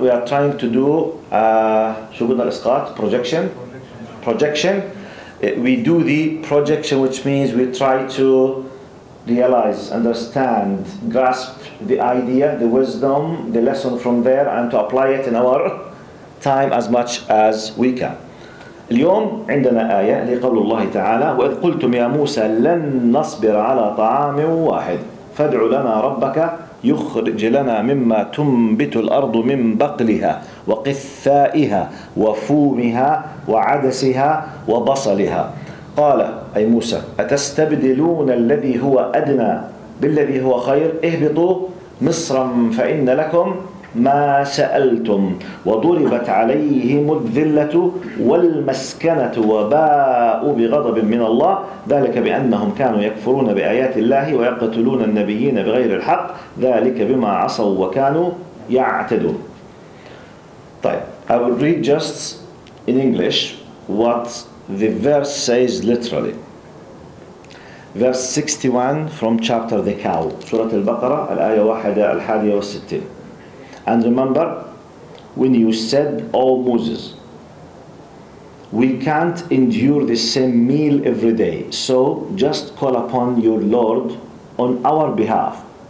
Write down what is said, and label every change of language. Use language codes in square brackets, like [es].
[en] We are trying to do [ar] shughul al-isqat, [en] projection. We do the projection, which means we try to realize, understand, grasp the idea, the wisdom, the lesson from there, and to apply it in our time as much as we can. [ar] اليوم عندنا آية لقول الله تعالى وإذ قلتم يا موسى لن نصبر على طعام واحد فادع لنا ربك يخرج لنا مما تنبت الأرض من بقلها وقثائها وفومها وعدسها وبصلها قال أي موسى أتستبدلون الذي هو أدنى بالذي هو خير اهبطوا مصرا فإن لكم ما سألتم وضربت عليهم الذلة والمسكنة وباءوا بغضب من الله ذلك بأنهم كانوا يكفرون بآيات الله ويقتلون النبيين بغير الحق ذلك بما عصوا وكانوا يعتدون. [en] طيب I will read just in English what the verse says literally. Verse 61 from chapter The Cow, Surah Al-Baqarah, Al-Ayah 161. And remember, when you said, O Moses, we can't endure the same meal every day, so just call upon your Lord on our behalf.